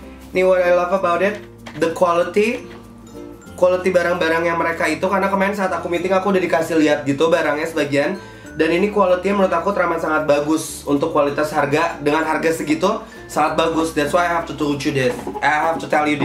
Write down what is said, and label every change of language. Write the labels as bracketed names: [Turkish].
[Indonesian] Nih, [English] what I love about it, the quality. [Indonesian] Quality barang-barang yang mereka itu, karena kemarin saat aku meeting aku udah dikasih lihat gitu barangnya sebagian. Dan ini quality-nya menurut aku teramat sangat bagus untuk kualitas harga, dengan harga segitu sangat bagus. [English] That's why I have to tell you this.